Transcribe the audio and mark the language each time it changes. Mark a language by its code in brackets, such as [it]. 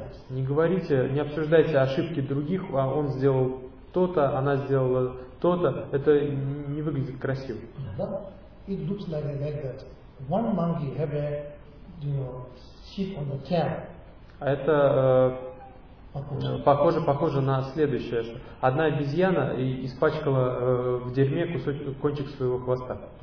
[ru] Не говорите, не обсуждайте ошибки других, а он сделал то-то, она сделала то-то. Это не выглядит красиво. [en] It looks like that. One monkey have a, you know, sheep on the tail. [ru] А это похоже на следующее. Одна обезьяна испачкала в дерьме кончик своего хвоста.